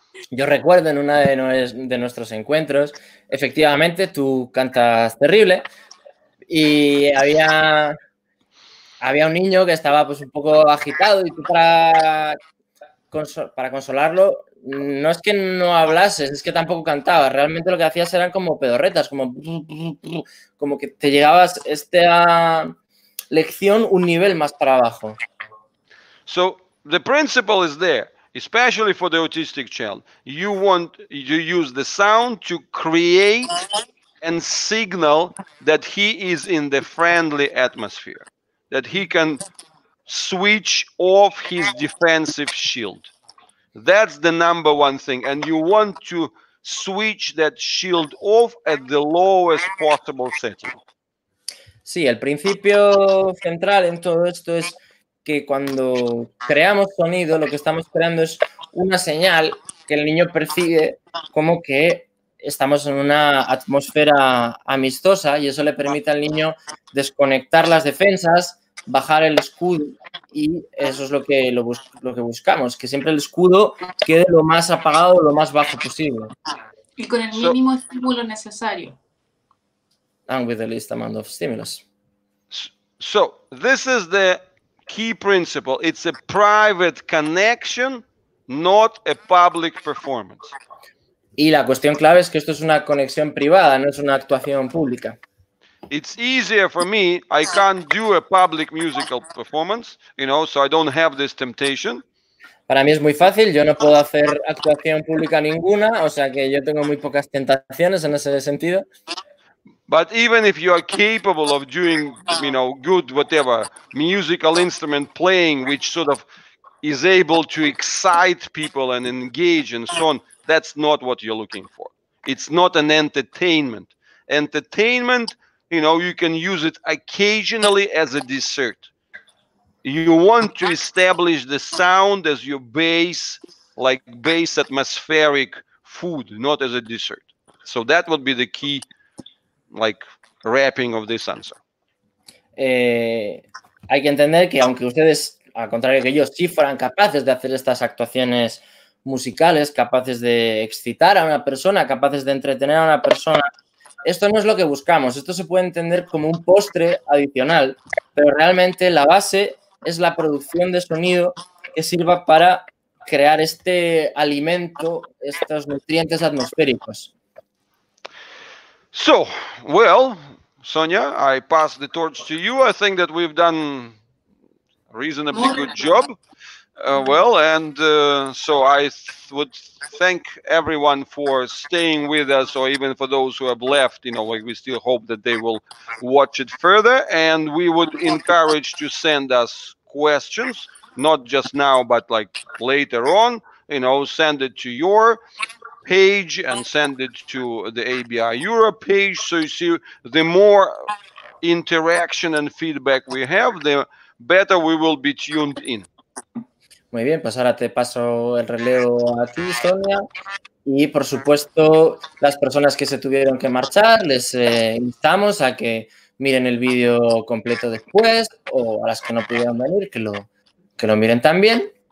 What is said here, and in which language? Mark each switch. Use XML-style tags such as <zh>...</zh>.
<es>Yo recuerdo en una de nuestros encuentros, efectivamente, tú cantas terrible y había un niño que estaba pues un poco agitado y tú para consolarlo, no es que no hablases, es que tampoco cantabas, realmente lo que hacías eran como pedorretas, como que te llegabas esta lección un nivel más para abajo.</es> <en>So, the principle is there. Especially for the autistic child, you want you use the sound to create and signal that he is in the friendly atmosphere, that he can switch off his defensive shield. That's the number one thing, and you want to switch that shield off at the lowest possible setting.</en> <es>Sí, el principio central en todo esto es que cuando creamos sonido, lo que estamos creando es una señal que el niño percibe como que estamos en una atmósfera amistosa y eso le permite al niño desconectar las defensas, bajar el escudo y eso es lo que buscamos, que siempre el escudo quede lo más apagado, lo más bajo posible. Y con el mínimo estímulo necesario.</es> <en>And with the least amount of stimulus. So, this is the key principle. It's a private connection, not a public performance.</en> <es>Y la cuestión clave es que esto es una conexión privada, no es una actuación pública.</es> <en>It's easier for me. I can't do a public musical performance, you know, so I don't have this temptation.</en> <es>Para mí es muy fácil. Yo no puedo hacer actuación pública ninguna, o sea que yo tengo muy pocas tentaciones en ese sentido.</es> <en>But even if you are capable of doing, you know, good, whatever, musical instrument playing, which sort of is able to excite people and engage and so on, that's not what you're looking for. It's not an entertainment. Entertainment, you know, you can use it occasionally as a dessert. You want to establish the sound as your base, like base atmospheric food, not as a dessert. So that would be the key. Like wrapping of this answer.</en> <es>Hay que entender que aunque ustedes, al contrario que yo, sí fueran capaces de hacer estas actuaciones musicales, capaces de excitar a una persona, capaces de entretener a una persona, esto no es lo que buscamos. Esto se puede entender como un postre adicional, pero realmente la base es la producción de sonido que sirva para crear este alimento, estos nutrientes atmosféricos.</es> <en>So, well, Sonia, I pass the torch to you. I think that we've done reasonably good job. Well, and so I would thank everyone for staying with us, or even for those who have left, you know, like we still hope that they will watch it further. And we would encourage to send us questions, not just now, but like later on, you know, send it to your page and send it to the ABI Europe page. So you see, the more interaction and feedback we have, the better we will be tuned in.</en> <es>Muy bien, pues ahora te paso el relevo a ti, Sonia. Y por supuesto, las personas que se tuvieron que marchar, les instamos a que miren el vídeo completo después, o a las que no pudieron venir, que lo miren también.</es>